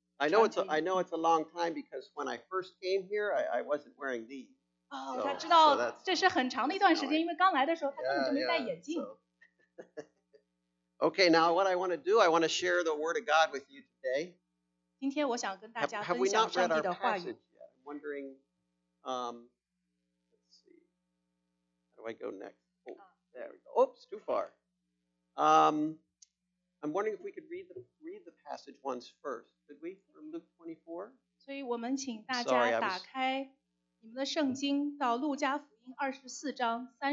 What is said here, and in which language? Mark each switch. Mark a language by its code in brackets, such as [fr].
[en] I know it's a long time because when I first came here, I wasn't wearing these. [zh] 他知道这是很长的一段时间，因为刚来的时候他根本就没戴眼镜。 [en] Okay, now what I want to do, I want to share the word of God with you today. [zh] 今天我想跟大家分享上帝的话语。 [en] I'm wondering, let's see, how do I go next? Oh, there we go. Oops, too far. I'm wondering if we could read the passage once first, could we? From Luke 24? [zh] 所以我们请大家打开你们的圣经到路加福音24:36-53.